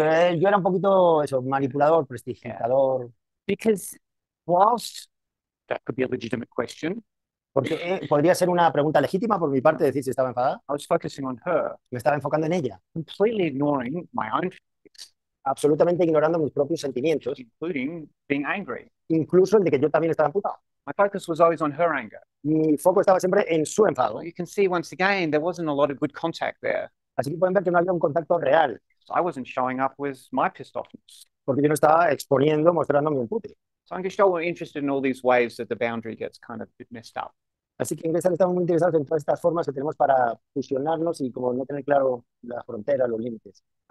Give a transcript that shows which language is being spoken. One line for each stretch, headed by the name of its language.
Spanish: pero yo era un poquito eso, manipulador, prestidigitador.
English: Because whilst that could be a legitimate question,
Spanish: Porque podría ser una pregunta legítima por mi parte decir si estaba enfadada.
English: was focusing on her,
Spanish: Me estaba enfocando en ella.
English: completely ignoring my own feelings,
Spanish: Absolutamente ignorando mis propios sentimientos.
English: including being angry.
Spanish: Incluso el de que yo también estaba emputado.
English: My focus was always on her anger.
Spanish: Mi foco estaba siempre en su
English: Well,
Spanish: enfado.
English: you can see once again there wasn't a lot of good contact there.
Spanish: Así que pueden ver que no había un contacto real.
English: So I wasn't showing up with my pissed offness.
Spanish: Porque yo no estaba exponiendo, mostrando mi empuje.
English: So I'm just always interested in all these ways that the boundary gets kind of messed up.
Spanish: Así que en inglés estamos muy interesados en todas estas formas que tenemos para fusionarnos y como no tener claro la frontera, los límites.